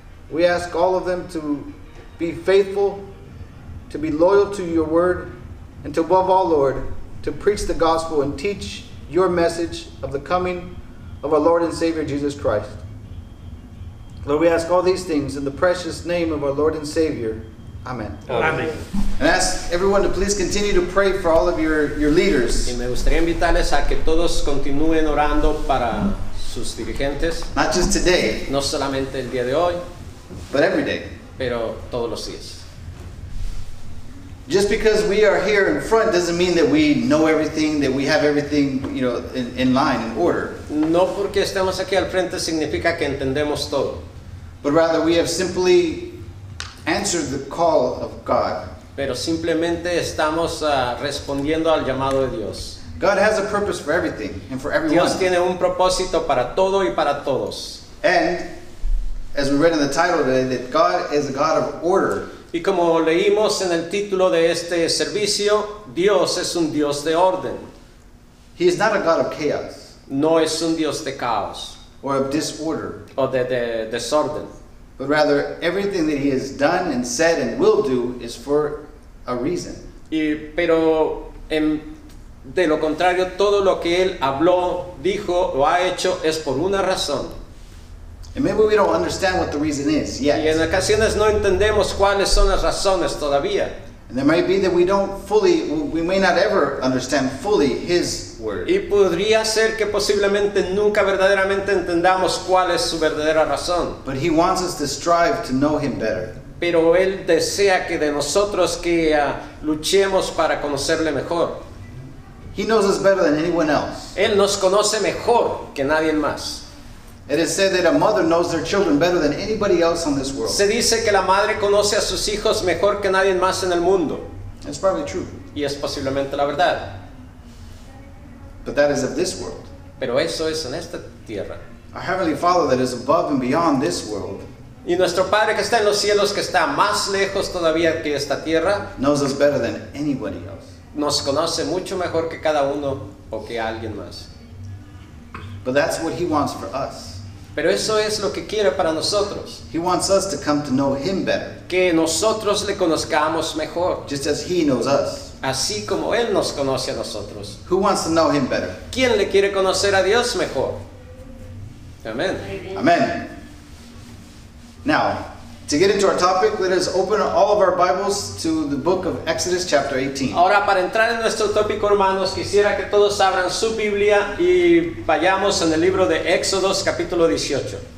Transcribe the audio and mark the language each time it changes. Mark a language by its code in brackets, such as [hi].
[en] We ask all of them to be faithful, to be loyal to your word, and to above all, Lord, to preach the gospel and teach your message of the coming of our Lord and Savior, Jesus Christ. Lord, we ask all these things in the precious name of our Lord and Savior. Amen. Amen. And ask everyone to please continue to pray for all of your leaders. [es] Y me gustaría invitarles a que todos continúen orando para sus dirigentes. [en] Not just today. [es] No solamente el día de hoy. [en] But every day. [es] Pero todos los días. [en] Just because we are here in front doesn't mean that we know everything, that we have everything, you know, in line, in order. [es] No porque estemos aquí al frente significa que entendemos todo. [en] But rather we have simply answered the call of God. [es] Pero simplemente estamos respondiendo al llamado de Dios. [en] God has a purpose for everything and for everyone. [es] Dios tiene un propósito para todo y para todos. [en] And as we read in the title today, that God is a God of order. [es] Y como leímos en el título de este servicio, Dios es un Dios de orden. [en] He is not a God of chaos. [es] No es un Dios de caos. [en] Or of disorder. [es] O de desorden. [en] But rather, everything that he has done and said and will do is for a reason. [es] Y, pero en, de lo contrario, todo lo que él habló, dijo o ha hecho es por una razón. [en] And maybe we don't understand what the reason is yet. [es] Y en ocasiones no entendemos cuáles son las razones todavía. [en] And there might be that we may not ever understand fully his word. [es] Y podría ser que posiblemente nunca verdaderamente entendamos cuál es su verdadera razón. [en] But he wants us to strive to know him better. [es] Pero él desea que de nosotros que luchemos para conocerle mejor. [en] He knows us better than anyone else. [es] Él nos conoce mejor que nadie más. [en] It is said that a mother knows their children better than anybody else on this world. [es] Se dice que la madre conoce a sus hijos mejor que nadie más en el mundo. [en] It's probably true. [es] Y es posiblemente la verdad. [en] But that is of this world. [es] Pero eso es en esta tierra. [en] Our Heavenly Father that is above and beyond this world. [es] Y nuestro Padre que está en los cielos, que está más lejos todavía que esta tierra, [en] knows us better than anybody else. [es] Nos conoce mucho mejor que cada uno o que alguien más. [en] But that's what he wants for us. [es] Pero eso es lo que quiere para nosotros. [en] He wants us to come to know him better. [es] Que nosotros le conozcamos mejor. [en] Just as he knows us. [es] Así como él nos conoce a nosotros. [en] Who wants to know him better? [es] ¿Quién le quiere conocer a Dios mejor? [en] Amen. [es] Amen. [en] Now, to get into our topic, let us open all of our Bibles to the book of Exodus, chapter 18. [es] Ahora, para entrar en nuestro tópico, hermanos, quisiera que todos abran su Biblia y vayamos en el libro de Éxodos, capítulo 18.